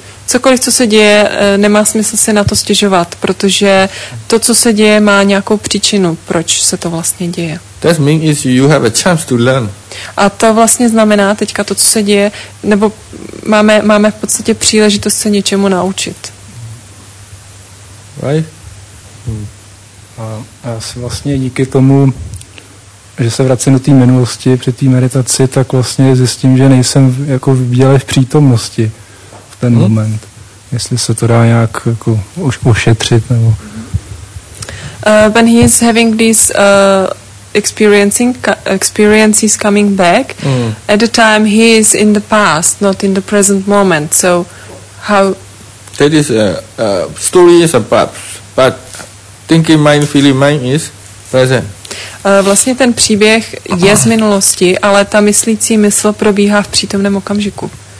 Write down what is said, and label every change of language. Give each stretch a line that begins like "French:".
Czech: cokoliv, co se děje, nemá smysl si na to stěžovat, protože to, co se děje, má nějakou příčinu, proč se to vlastně děje.
English: That means is you have a chance to learn.
Czech: A to vlastně znamená teďka to, co se děje, nebo máme v podstatě příležitost se něčemu naučit.
English: Right?
Czech: A já si vlastně díky tomu, že se vracím do té minulosti při té meditaci, tak vlastně zjistím, že nejsem jako v bíle v přítomnosti v ten moment. Jestli se to dá nějak jako ošetřit nebo...
English: When he is having this experiences coming back, at the time he is in the past, not in the present moment. So how... That is a story is a past, but thinking mind, feeling mind is present.
Czech: Vlastně ten příběh je z minulosti, ale ta myslící mysl probíhá v přítomném okamžiku.